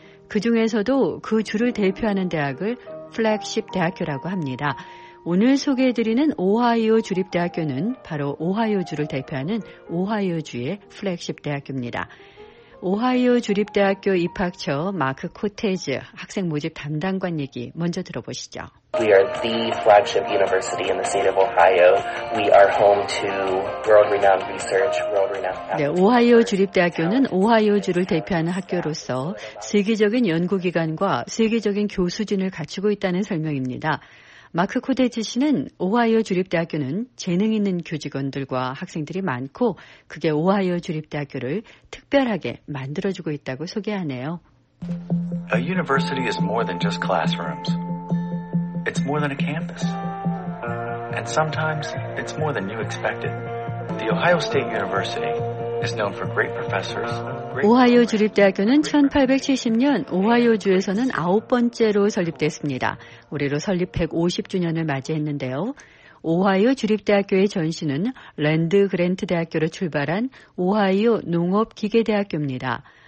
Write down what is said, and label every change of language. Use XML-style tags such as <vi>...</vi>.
<ko>그 중에서도 그 주를 대표하는 대학을 플래그십 대학교라고 합니다. 오늘 소개해드리는 오하이오 주립대학교는 바로 오하이오주를 대표하는 오하이오주의 플래그십 대학교입니다. 오하이오 주립대학교 입학처 마크 코테즈 학생 모집 담당관 얘기 먼저 들어보시죠.</ko> <en>We are the flagship university in the state of Ohio. We are home to world-renowned research, world-renowned.</en> <ko>네, 오하이오 주립대학교는 오하이오 주를 대표하는 학교로서 세계적인 연구기관과 세계적인 교수진을 갖추고 있다는 설명입니다. 마크 코데지 씨는 오하이오 주립대학교는 재능 있는 교직원들과 학생들이 많고 그게 오하이오 주립대학교를 특별하게 만들어주고 있다고 소개하네요.</ko> <en>A university is more than just classrooms. It's more than a campus. And sometimes it's more than you expected. The Ohio State University is known for great professors.</en> <ko>오하이오 주립대학교는 1870년 오하이오주에서는 아홉 번째로 설립됐습니다. 올해로 설립 150주년을 맞이했는데요. 오하이오 주립대학교의 전신은 랜드 그랜트 대학교로 출발한 오하이오 농업기계대학교입니다.</ko>